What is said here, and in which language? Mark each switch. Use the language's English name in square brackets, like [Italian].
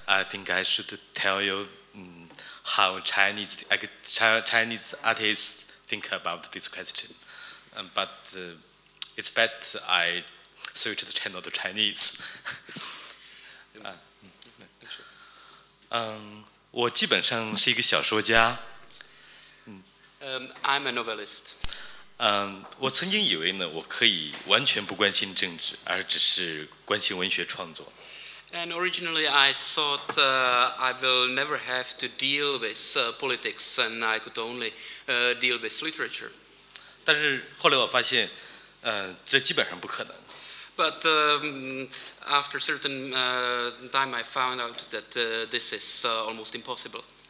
[English] I think I should tell you how Chinese artists think about this question. But it's bad I switch the channel to Chinese. [Chinese] 我基本上是一个小说家。 [English] I'm a novelist. [Chinese] 我曾经以为呢，我可以完全不关心政治，而只是关心文学创作。 [English] And originally, I thought I will never have to deal with politics, and I could only deal with literature. [Chinese] 但是后来我发现，这基本上不可能。 [English] But after certain time, I found out that this is almost impossible.